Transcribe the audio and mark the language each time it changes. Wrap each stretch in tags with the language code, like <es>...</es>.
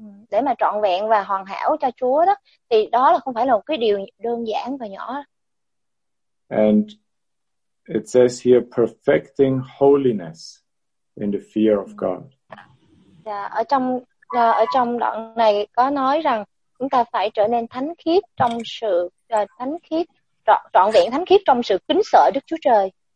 <vi>Để mà trọn vẹn và hoàn hảo cho Chúa đó, thì đó là không phải là một cái điều đơn giản và nhỏ.</vi> <en>And it says here, perfecting holiness in the fear of God.</en> <vi>Ở trong đoạn này có nói rằng chúng ta phải trở nên thánh khiết trong sự thánh khiết, trọn vẹn thánh khiết trong sự kính sợ Đức Chúa Trời.</vi>